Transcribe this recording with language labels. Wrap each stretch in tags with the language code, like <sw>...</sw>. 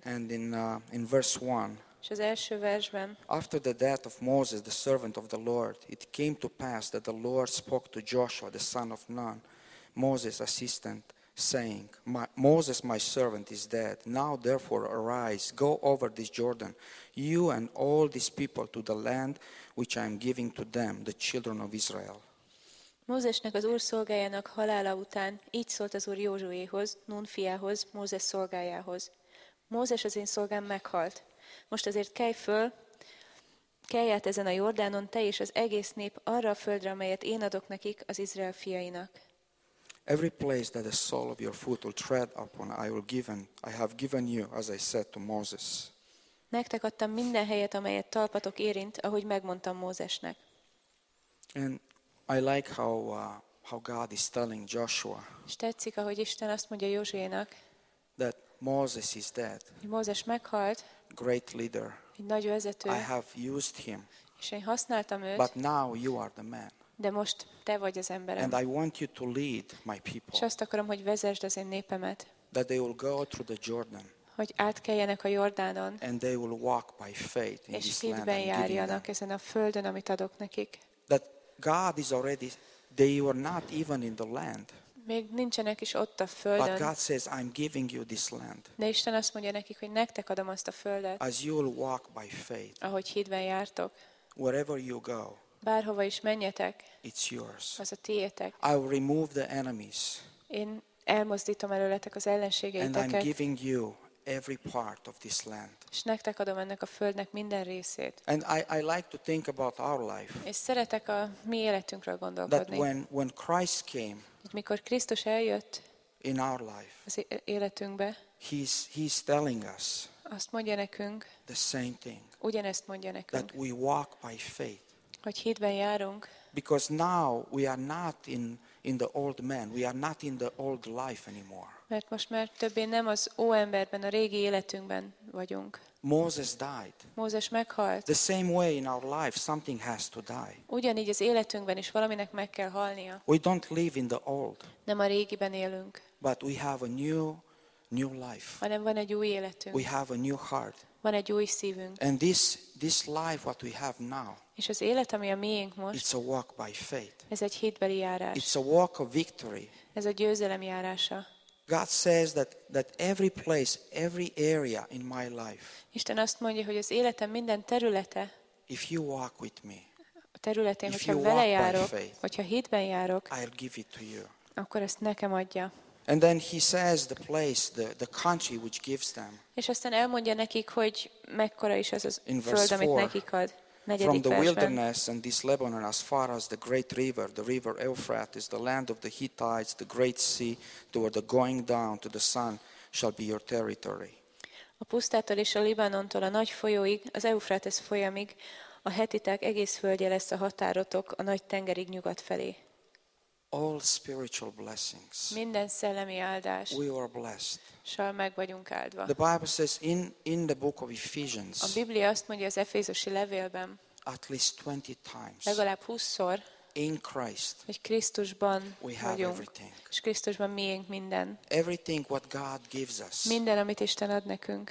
<en>And in verse 1.</en> <hu>És az első versben.</hu> <en>After the death of Moses, the servant of the Lord, it came to pass that the Lord spoke to Joshua, the son of Nun, Moses' assistant, saying, Moses, my servant, is dead. Now therefore arise, go over this Jordan, you and all these people, to the land which I am giving to them, the children of Israel.</en> <hu>Mózesnek az Úr szolgájának halála után így szólt az Úr Józsuéhoz, Nun fiához, Mózes szolgájához. Mózes az én szolgám meghalt. Most azért kelj föl, kelj át ezen a Jordánon, te és az egész nép arra a földre, amelyet én adok nekik, az Izrael fiainak.</hu> <en>Every place that the sole of your foot will tread upon, I have given you, as I said to Moses.</en> <hu>Nektek adtam minden helyet, amelyet talpatok érint, ahogy megmondtam Mózesnek.</hu> <en>And I like how God is telling Joshua.</en> <hu>És tetszik, ahogy Isten azt mondja Józsuénak.</hu> <en>That Moses is dead.</en> <hu>Mózes meghalt.</hu> <en>Great leader.</en> <hu>Egy nagy vezető.</hu> <en>I have used him.</en> <hu>És én használtam őt.</hu> <en>But now you are the man.</en> <hu>De most te vagy az emberem.</hu> <en>And I want you to lead my people.</en> <hu>És azt akarom, hogy vezesd az én népemet.</hu> <en>That they will go through the Jordan.</en> <hu>hogy átkeljenek a Jordánon,</hu> <en>and they will walk by faith in</en> <hu>és</hu> <en>this land</en> <hu>hitben járjanak ezen a földön, amit adok nekik.</hu> <en>That God is already, they were not even in the land.</en> <hu>Még nincsenek is ott a földön.</hu> <en>But God says, I'm giving you this land.</en> <hu>De Isten azt mondja nekik, hogy nektek adom azt a földet.</hu> <en>As you will walk by faith.</en> <hu>Ahogy hitben jártok.</hu> <en>Wherever you go.</en> <hu>Bárhova is menjetek.</hu> <en>It's yours.</en> <hu>Az a tiétek.</hu> <en>I will remove the enemies.</en> <hu>Én elmozdítom előletek az ellenségeiteket.</hu> <en>And I'm giving you every part of this land.</en> <hu>És nektek adom ennek a földnek minden részét.</hu> <en>And I like to think about our life.</en> <hu>És szeretek a mi életünkről gondolkodni.</hu> <en>That when Christ came.</en> <hu>Mikor Krisztus eljött</hu> <en>in our life,</en> <hu>az életünkbe,</hu> <en>he's telling us,</en> <hu>azt mondja nekünk,</hu> <en>the same thing,</en> <hu>ugyanezt mondja nekünk,</hu> <en>that we walk by faith,</en> <hu>hogy hitben járunk,</hu> <en>because now we are not in the old man, we are not in the old life anymore.</en> <hu>Mert most már többé nem az óemberben, a régi életünkben vagyunk.</hu> <en>Moses died.</en> <hu>Mózes meghalt.</hu> <en>The same way in our life, something has to die.</en> <hu>Ugyanígy az életünkben is valaminek meg kell halnia.</hu> <en>We don't live in the old.</en> <hu>Nem a régiben élünk.</hu> <en>But we have a new life.</en> <hu>Hanem van egy új életünk.</hu> <en>We have a new heart.</en> <hu>Van egy új szívünk.</hu> <en>And this life what we have now.</en> <hu>És az élet, ami a miénk most.</hu> <en>It's a walk by faith.</en> <hu>Ez egy hitbeli járás.</hu> <en>It's a walk of victory.</en> <hu>Ez a győzelem járása.</hu> <en>God says that every place, every area in my life.</en> <hu>Isten azt mondja, hogy az életem minden területe.</hu> <en>If you walk with me.</en> <hu>A területén, hogyha vele járok, hogyha hitben járok.</hu> <en>I'll give it to you.</en> <hu>Akkor ezt nekem adja.</hu> <en>And then he says the place, the country which gives them.</en> <hu>És aztán elmondja nekik, hogy mekkora is az a föld, amit nekik ad.</hu> <en>From the wilderness and this Lebanon as far as the great river, the river Euphrates, the land of the Hittites, the great sea, toward the going down to the sun shall be your territory.</en> <hu>A pusztától és a Libanontól a nagy folyóig, az Euphrates folyamig, a hetiták egész földje lesz a határotok a nagy tengerig nyugat felé.</hu> <en>All spiritual blessings.</en> <hu>Minden szellemi áldás.</hu> <en>We are blessed.</en> <hu>Sal meg vagyunk áldva.</hu> <en>The Bible says in the book of Ephesians.</en> <hu>A Biblia azt mondja az Efézusi levélben.</hu> <en>At least 20 times.</en> <hu>Legalább 20-szor.</hu> <en>In Christ.</en> <hu>Hogy Krisztusban</hu> <en>we have</en> <hu>vagyunk.</hu> <en>Everything.</en> <hu>És Krisztusban miénk minden.</hu> <en>Everything what God gives us.</en> <hu>Minden, amit Isten ad nekünk.</hu>